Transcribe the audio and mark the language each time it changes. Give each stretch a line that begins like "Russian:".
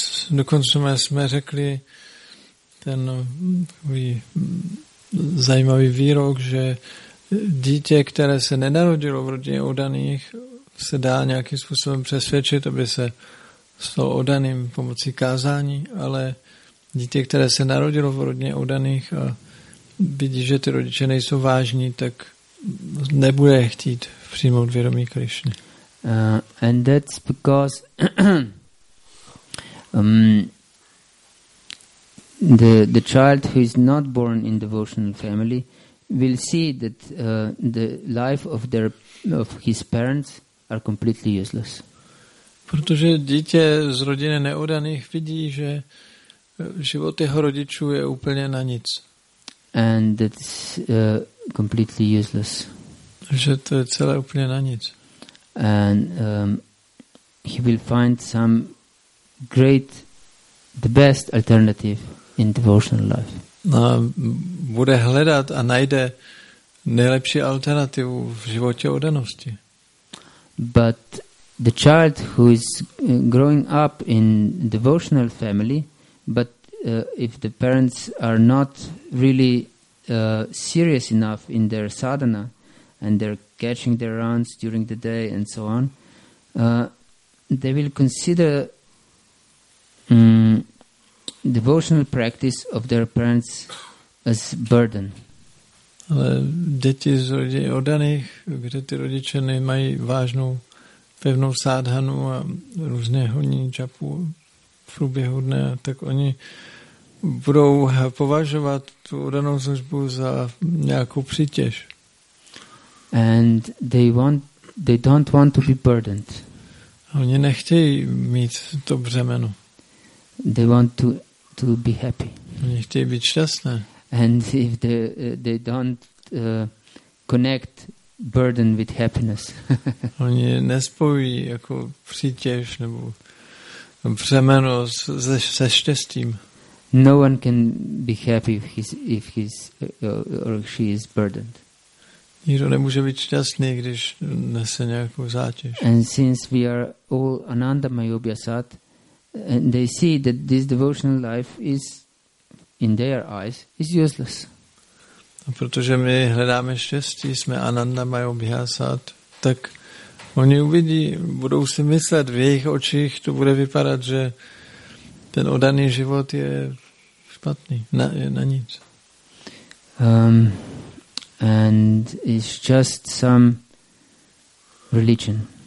Czech: Dokonce jsme řekli ten takový zajímavý výrok, že dítě, které se nenarodilo v rodině oddaných, se dá nějakým způsobem přesvědčit, aby se stalo oddaným pomocí kázání, ale dítě, které se narodilo v rodině oddaných a vidí, že ty rodiče nejsou vážní, tak nebude chtít přijmout vědomí Krišny.
English: And that's because the child who is not born in devotional family will see that the life of his parents are completely useless.
Czech: Protože dítě z rodiny neodaných vidí, že život jeho rodičů je úplně na nic.
English: And that's completely useless.
Czech: Že to je celé úplně na nic.
English: And he will find some great, the best alternative in devotional life.
Czech: A bude hledat a najde nejlepší alternativu v životě oddanosti.
English: But the child who is growing up in devotional family, but if the parents are not really serious enough in their sadhana and they're catching their rounds during the day and so on, they will consider devotional practice of their parents as burden.
Czech: Ale děti z rodin oddaných, kde ty rodiče nemají vážnou pevnou sádhanu a různé honí čapu v průběhu dne, tak oni budou považovat tu oddanou službu za nějakou přítěž.
English: And they don't want to be burdened.
Czech: Oni nechtějí mít to břemeno.
English: They want to be happy.
Czech: Oni chtějí být šťastné.
English: And if they don't connect burden with happiness.
Czech: Oni nespojí jako přítěž nebo břemeno se štěstím.
English: No one can be happy if he or she is burdened.
Czech: Nikdo nemůže být šťastný, když nese nějakou zátěž.
English: And since we are all anandamaya bhasat, and they see that this devotional life is, in their eyes, is useless.
Czech: A protože my hledáme štěstí, jsme anandamaya bhasat, tak oni uvidí, budou si myslet, v jejich očích to bude vypadat, že ten oddaný život je špatný, je na nic.
English: And it's just some religion.